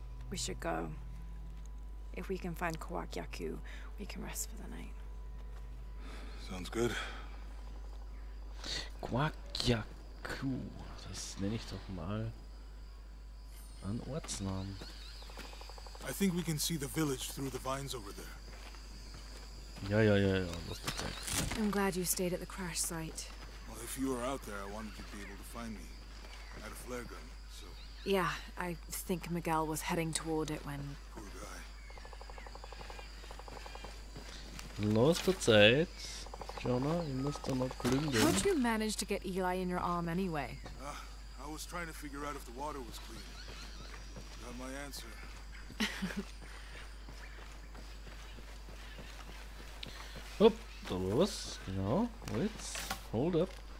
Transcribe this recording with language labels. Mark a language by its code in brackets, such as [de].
[en] We should go. If we can find Kowak Yaku, we can rest for the night. Sounds good. [de] Kowak Yaku, das nenne ich doch mal an Ortsnamen. [en] I think we can see the village through the vines over there. [de] Ja, lass dich Zeit. [en] I'm glad you stayed at the crash site. Well, if you were out there, I wanted you to be able to find me. I had a flare gun, so. Yeah, I think Miguel was heading toward it when. Poor guy. [de] Los der Zeit, Jonah, ihr müsst da noch plündern. [en] How'd you manage to get Eli in your arm anyway? I was trying to figure out if the water was clean. Got my answer. [de] Hop, da war was. Genau. [en] Wait. Hold up.